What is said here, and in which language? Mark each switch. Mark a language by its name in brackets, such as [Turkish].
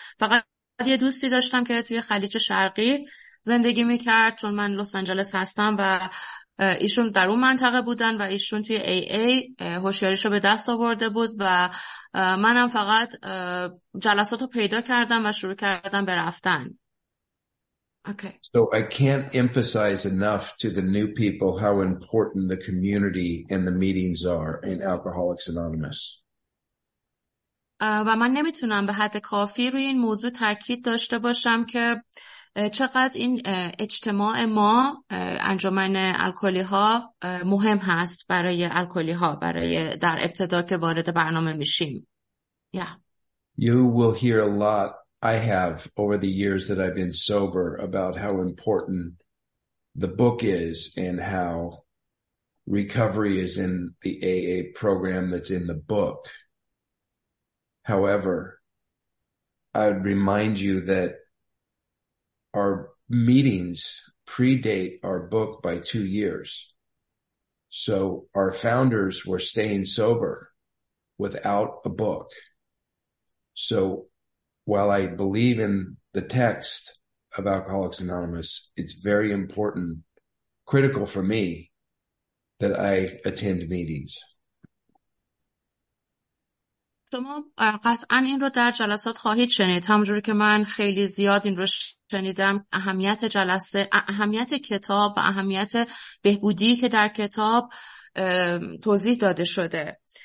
[Persian] فقط یه دوستی داشتم که توی خلیج شرقی زندگی میکرد، چون من لس آنجلس هستم و ایشون در اون منطقه بودن و ایشون توی AA هوشیاریشو به دست آورده بود و منم فقط جلساتو پیدا کردم و شروع کردم به رفتن. [English] Okay. So I can't emphasize enough to the new people how important the community and the meetings are in Alcoholics Anonymous. [Persian] و من نمیتونم به حد کافی روی این موضوع تاکید داشته باشم که چقدر این اجتماع ما، انجمن الکلی ها، مهم هست برای الکلی ها، برای در ابتدا که وارد برنامه میشیم. [English] Yeah. You will hear a lot, I have, over the years that I've been sober, about how important the book is and how recovery is in the AA program that's in the book. However, I would remind you that our meetings predate our book by 2 years. So our founders were staying sober without a book. So while I believe in the text of Alcoholics Anonymous, it's very important, critical for me, that I attend meetings. [Persian] شما قطعا این رو در جلسات خواهید شنید، همونجور که من خیلی زیاد این رو شنیدم، اهمیت جلسه، اهمیت کتاب و اهمیت بهبودی که در کتاب توضیح داده شده.